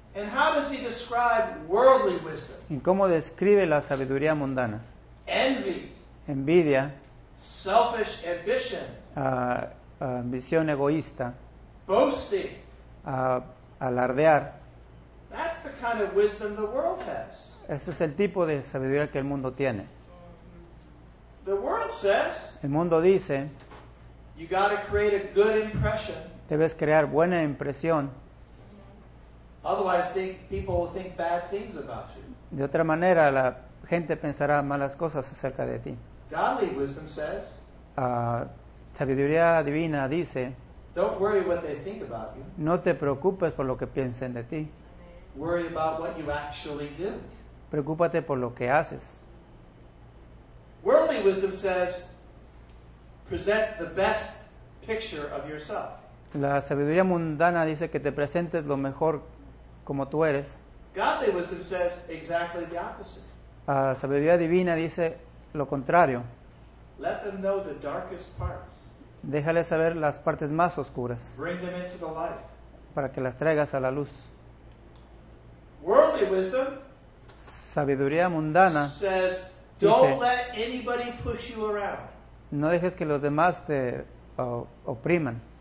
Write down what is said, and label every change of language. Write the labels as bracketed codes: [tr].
[en] And how does he describe worldly wisdom? [es] ¿Y cómo describe la sabiduría mundana? [en] Envy. [es] Envidia. [en] Selfish ambition. [es] Ambición egoísta. [en] Boasting. [es] Alardear. [en] That's the kind of wisdom the world has. [es] Este es el tipo de sabiduría que el mundo tiene. [en] The world says, [es] el mundo dice, [en] you gotta create a good impression. [es] Debes crear buena impresión. [en] Otherwise, people will think bad things about you. [es] De otra manera, la gente pensará malas cosas acerca de ti. [en] Godly wisdom says, [es] sabiduría divina dice, [en] don't worry what they think about you. [es] No te preocupes por lo que piensen de ti. [en] Worry about what you actually do. [es] Preocúpate por lo que haces. [en] Worldly wisdom says, present the best picture of yourself. [es] La sabiduría mundana dice que te presentes lo mejor como tú eres. [en] Godly wisdom says exactly the opposite. [es] Sabiduría divina dice lo contrario. [en] Let them know the darkest parts. [es] Déjale saber las partes más oscuras. [en] Bring them into the light. [es] Para que las traigas a la luz. [en] Worldly wisdom, [es] sabiduría mundana, [en] says, don't [es] dice, [en] let anybody push you around. [es] No dejes que los demás te opriman.